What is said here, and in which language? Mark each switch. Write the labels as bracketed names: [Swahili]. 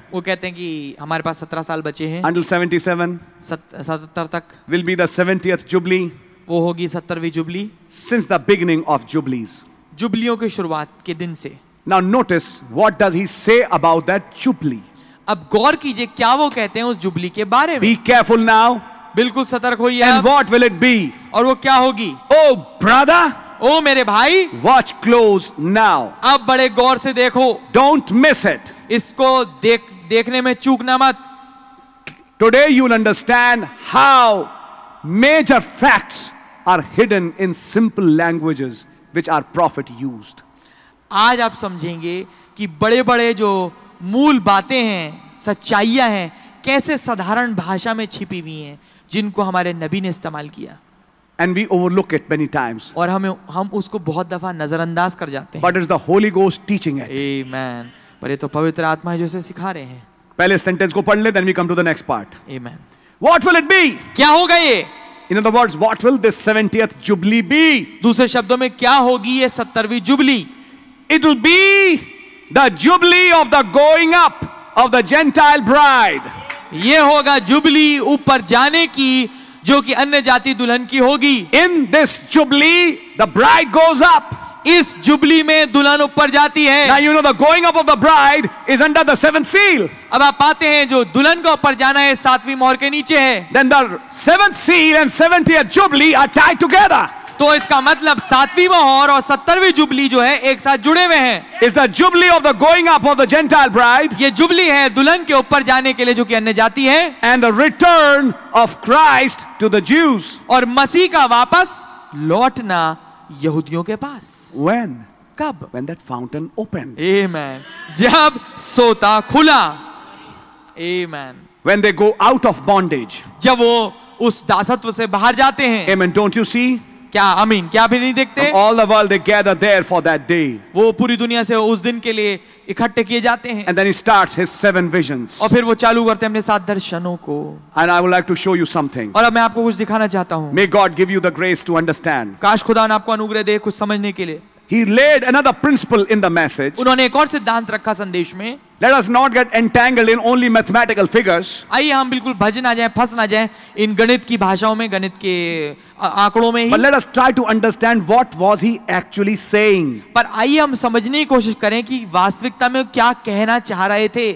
[Hindi] वो कहते हैं कि हमारे पास 17 साल बचे हैं. [English] Until 77. [Hindi] 77 तक. [English] Will be the 70th jubilee. [Hindi] वो होगी 70वीं jubilee. [English] Since the beginning of jubilees. [Hindi] जुबलियों के शुरुआत के दिन से. [English] Now notice, what does he say about that jubilee? [Hindi] अब गौर कीजिए क्या वो कहते हैं उस जुबली के बारे में. [English] Be careful now. [Hindi] बिल्कुल सतर्क होइए. [English] And what will it be? [Hindi] और वो क्या होगी? [English] Oh brother, [Hindi] oh मेरे भाई, [English] watch close now. [Hindi] अब बड़े गौर से देखो. [English] Don't miss it. [Hindi] इसको देखने में चूकना मत. [English] Today you'll understand how major facts are hidden in simple languages which our prophet used. [Hindi] आज आप समझेंगे कि बड़े-बड़े जो मूल बातें हैं, सच्चाइयां हैं, कैसे साधारण भाषा में छिपी हुई हैं, जिनको हमारे नबी ने इस्तेमाल किया. [English] And we overlook it many times. [Hindi] और हम उसको बहुत दफा नजरअंदाज कर जाते हैं. [English] But it's the Holy Ghost teaching it. Amen. [Hindi] पर ये तो पवित्र आत्मा है जो इसे सिखा रहे हैं. पहले सेंटेंस को पढ़ ले, [English] then we come to the next part. Amen. What will it be? [Hindi] क्या होगा ये? [English] In other words, what will this 70th jubilee be? [Hindi] दूसरे शब्दों में क्या होगी ये 70वीं jubilee? [English] It will be the jubilee of the going up of the Gentile bride. [Hindi] ये होगा जुबली ऊपर जाने की, जो कि अन्य जाति दुल्हन की होगी. [English] In this jubilee, the bride goes up. [Hindi] इस जुबली में दुल्हन ऊपर जाती है. [English] Now you know the going up of the bride is under the seventh seal. [Hindi] अब आप पाते हैं जो दुल्हन का ऊपर जाना है सातवीं मोहर के नीचे है. [English] Then the seventh seal and 70th jubilee are tied together. [Hindi] तो इसका मतलब सातवीं मोहर और सत्तरवीं जुबली जो है एक साथ जुड़े हुए हैं. [English] Is the jubilee of the going up of the Gentile bride. [Hindi] ये जुबली है दुल्हन के ऊपर जाने के लिए जो कि अन्य जाति है. [English] And the return of Christ to the Jews. [Hindi] और मसीह का वापस लौटना यहूदियों के पास. [English] When? [Hindi] कब? [English] When that fountain opened. [Hindi] Amen. जब सोता खुला. Amen. [English] When they go out of bondage. [Hindi] जब वो उस दासत्व से बाहर जाते हैं. [English] Amen. Don't you see? [Hindi] क्या आमीन, क्या भी नहीं देखते? [English] All the world they gather there for that day. [Hindi] वो पूरी दुनिया से उस दिन के लिए इकट्ठे किए जाते हैं. [English] And then he starts his seven visions. [Hindi] और फिर वो चालू करते हैं अपने सात दर्शनों को. [English] And I would like to show you something. [Hindi] और अब मैं आपको कुछ दिखाना चाहता हूँ. [English] May God give you the grace to understand. [Hindi] काश खुदा ने आपको अनुग्रह दे कुछ समझने के लिए. [English] He laid another principle in the message. [Hindi] उन्होंने एक और सिद्धांत रखा संदेश में. [English] Let us not get entangled in only mathematical figures. [Hindi] आइए हम बिल्कुल भज ना जाएं, फंस ना जाएं इन गणित की भाषाओं में, गणित के आंकड़ों में ही. [English] But let us try to understand what was he actually saying. [Hindi] पर आइए हम समझने की कोशिश करें कि वास्तविकता में क्या कहना चाह रहे थे.